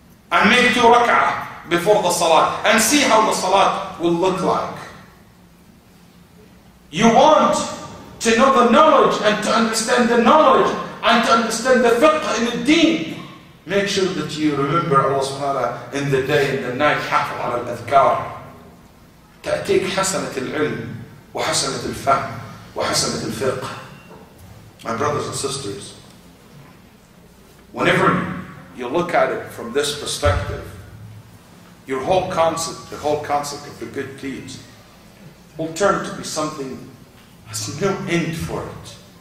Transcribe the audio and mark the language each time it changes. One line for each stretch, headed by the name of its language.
English: And make two rak'ah before the salat and see how the salat will look like. You want to know the knowledge and to understand the knowledge and to understand the fiqh in the deen. Make sure that you remember Allah subhanahu wa ta'ala in the day and the night.
Arabic: حافظ على الأذكار. تأتيك حسنة العلم وحسنة الفهم وحسنة الفقه.
English: My brothers and sisters, whenever you look at it from this perspective, your whole concept, the whole concept of the good deeds will turn to be something has no end for it.